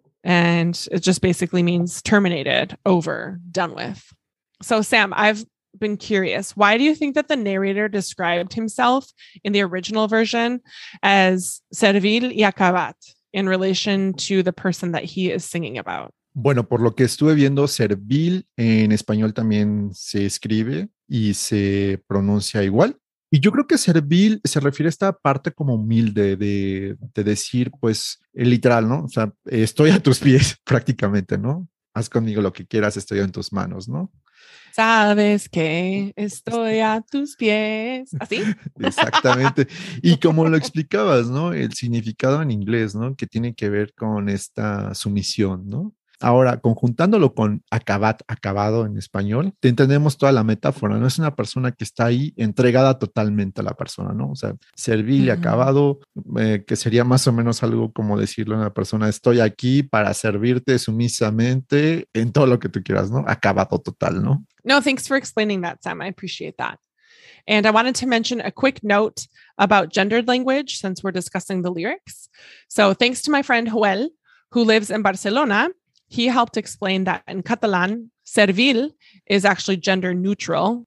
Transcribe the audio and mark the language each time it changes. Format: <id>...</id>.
<en>And it just basically means terminated, over, done with. So Sam, I've been curious, why do you think that the narrator described himself in the original version as servil y acabat? In relation to the person that he is singing about?</en> <es>Bueno, por lo que estuve viendo, servil en español también se escribe y se pronuncia igual. Y yo creo que servil se refiere a esta parte como humilde de decir, pues, literal, ¿no? O sea, estoy a tus pies prácticamente, ¿no? Haz conmigo lo que quieras, estoy en tus manos, ¿no? Sabes que estoy a tus pies. ¿Así? Exactamente. Y como lo explicabas, ¿no? El significado en inglés, ¿no? Que tiene que ver con esta sumisión, ¿no? Ahora, conjuntándolo con acabado en español, te entendemos toda la metáfora, ¿no? Es una persona que está ahí entregada totalmente a la persona, ¿no? O sea, servil y uh-huh. acabado, que sería más o menos algo como decirle a una persona, estoy aquí para servirte sumisamente en todo lo que tú quieras, ¿no? Acabado total, ¿no?</es> <en>No, thanks for explaining that, Sam. I appreciate that. And I wanted to mention a quick note about gendered language since we're discussing the lyrics. So thanks to my friend Joel, who lives in Barcelona. He helped explain that in Catalan, servil is actually gender neutral.</en>